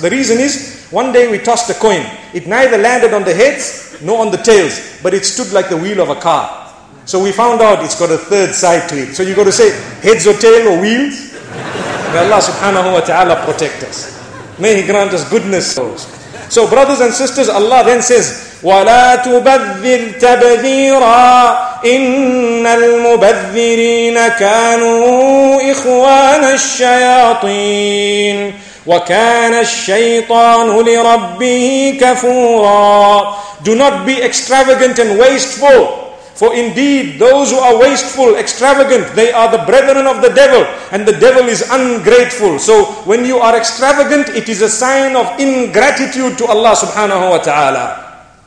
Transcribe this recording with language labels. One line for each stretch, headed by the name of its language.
English: The reason is, one day we tossed a coin. It neither landed on the heads nor on the tails, but it stood like the wheel of a car. So we found out it's got a third side to it. So you've got to say heads or tail or wheels. May Allah subhanahu wa ta'ala protect us. May He grant us goodness. So brothers and sisters, Allah then says,
Arabic: وَلَا تُبَذِّرْ تَبَذِيرًا إِنَّ الْمُبَذِّرِينَ كَانُوا إِخْوَانَ الشَّيَاطِينَ وَكَانَ الشَّيْطَانُ لِرَبِّهِ كَفُورًا.
English: Do not be extravagant and wasteful. For indeed, those who are wasteful, extravagant, they are the brethren of the devil. And the devil is ungrateful. So when you are extravagant, it is a sign of ingratitude to Allah subhanahu wa ta'ala.